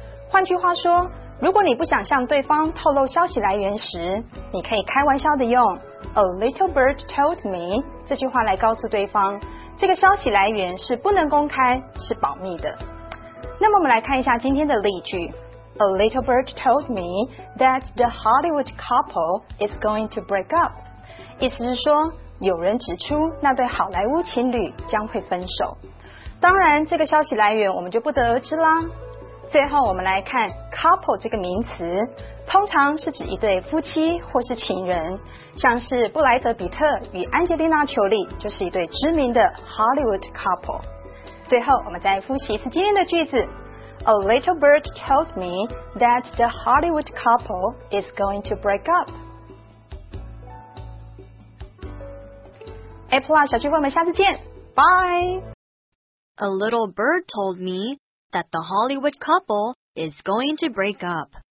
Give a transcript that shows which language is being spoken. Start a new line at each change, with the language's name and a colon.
Chinese: 换句话说，如果你不想向对方透露消息来源时，你可以开玩笑的用
English: "A little bird told me"
Chinese: 这句话来告诉对方这个消息来源是不能公开，是保密的。那么我们来看一下今天的例句。
English: A little bird told me that the Hollywood couple is going to break up.
Chinese: 意思是说，有人指出那对好莱坞情侣将会分手。当然，这个消息来源我们就不得而知啦。最后我们来看 couple 这个名词，通常是指一对夫妻或是情人，像是布莱德比特与安吉丽娜裘丽就是一对知名的 Hollywood couple。最后我们再复习一次今天的句子。
English: A little bird told me that the Hollywood couple is going to break up.
Chinese: A Plus 小聚会，我们下次见， Bye。
English: A little bird told me that the Hollywood couple is going to break up.